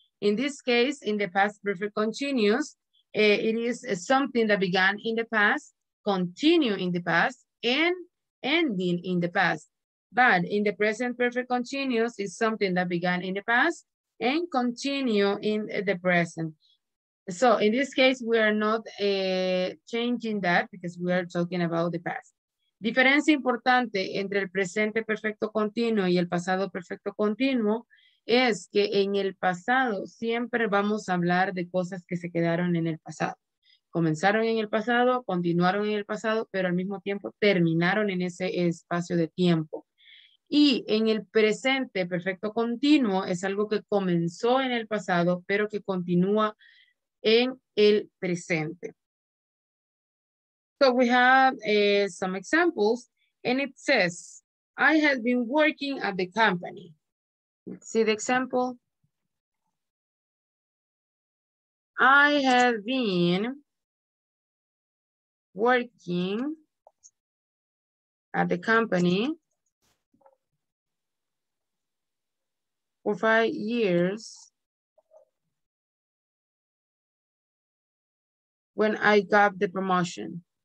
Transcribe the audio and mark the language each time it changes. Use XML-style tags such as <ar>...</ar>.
<en>In this case, in the past perfect continuous, it is something that began in the past, continue in the past, and ending in the past. But in the present perfect continuous, it's something that began in the past and continue in the present. So in this case, we are not changing that because we are talking about the past.</en> <es>Diferencia importante entre el presente perfecto continuo y el pasado perfecto continuo es que en el pasado siempre vamos a hablar de cosas que se quedaron en el pasado. Comenzaron en el pasado, continuaron en el pasado, pero al mismo tiempo terminaron en ese espacio de tiempo. Y en el presente perfecto continuo es algo que comenzó en el pasado, pero que continúa en el presente.</es> <en>So we have some examples, and it says, I have been working at the company. Let's see the example. I have been working at the company for 5 years when I got the promotion.</en>